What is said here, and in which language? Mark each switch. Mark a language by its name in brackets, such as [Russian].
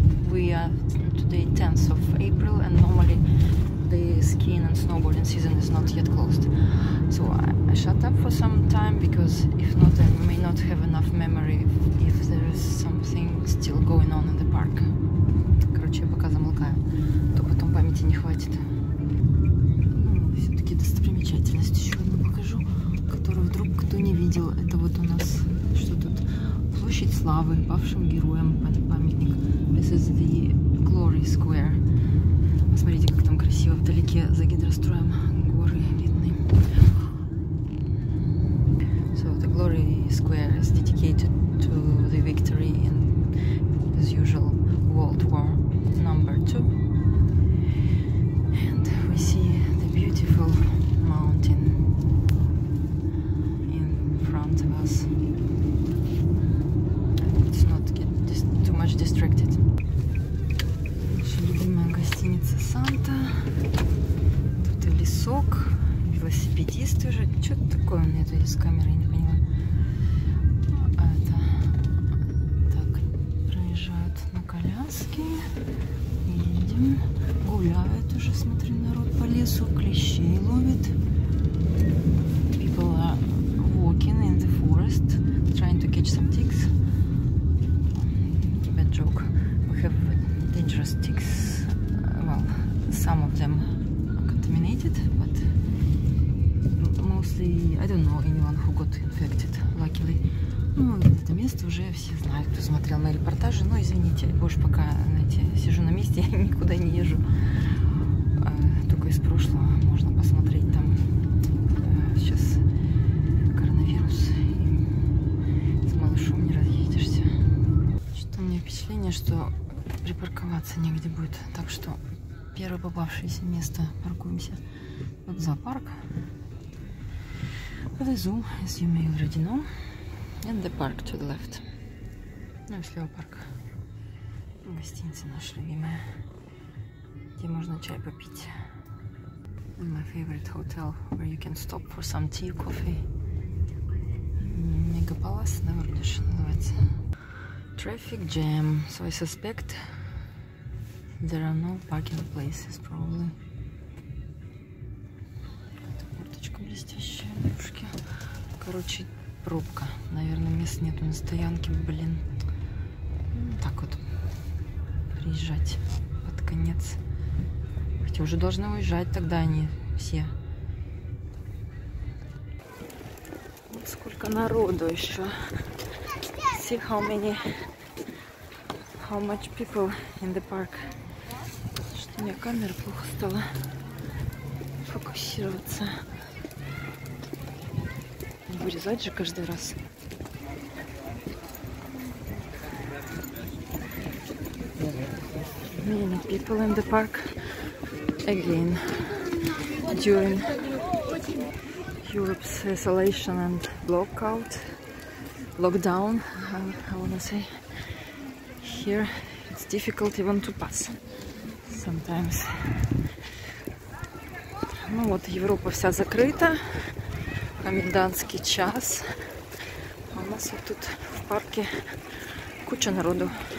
[English] We are today 10th of April and normally the skiing and snowboarding season is not yet closed. So I shut up for some time because if not I may not have enough memory if there is something still going on in the park. [Russian] Короче, я пока замолкаю, то потом памяти не хватит. Все-таки достопримечательность еще одну покажу, которую вдруг кто не видел. Это вот у нас, что тут, Площадь Славы, бывшим героям памятник. [English] This is the Glory Square. [Russian] Посмотрите, как там красиво вдалеке за гидростроем горы видны. [English] So the Glory Square is dedicated to the victory in, as usual, World War Number 2. And we see the beautiful mountain in front of us. Let's not get too much distracted. [Russian] Наша любимая гостиница Санта. Тут и лесок, и велосипедист уже. Что-то такое у меня тут с камерой, не поняла. Это так, проезжают на коляске. Едем. Гуляет уже, смотри, народ по лесу, клещей ловит. [English] People are walking in the forest, trying to catch some ticks. Bad joke. We have dangerous ticks. Well, some of them are contaminated, but mostly, I don't know anyone who got infected, luckily. [Russian] Ну, это место уже все знают, кто смотрел мои репортажи. Но извините, больше пока, знаете, сижу на месте, я никуда не езжу. Только из прошлого можно посмотреть там. Сейчас коронавирус, и с малышом не разъедешься. Что-то у меня впечатление, что припарковаться негде будет. Так что первое попавшееся место паркуемся. Вот зоопарк. Вот и зум, [English] as you may already know. And the park to the left. [Russian] Ну и зоопарк. Гостиница наша любимая. Где можно чай попить. [English] My favorite hotel, where you can stop for some tea or coffee. [Russian] Мегапалас, наверное, что называется. [English] Traffic jam. So I suspect there are no parking places, probably. [Russian] Это курточка блестящая, девушки. Короче, пробка. Наверное, мест нету на стоянке, блин. Так вот, приезжать под конец. Хотя уже должны уезжать тогда они все. Вот сколько народу еще. [English] See how many, how much people in the park. [Russian] Что у меня камера плохо стала фокусироваться. Не вырезать же каждый раз. [English] Many people in the park again during Europe's isolation and lockdown. I wanna say here it's difficult even to pass sometimes. [Russian] Ну вот Европа вся закрыта, комендантский час, а у нас вот тут в парке куча народу.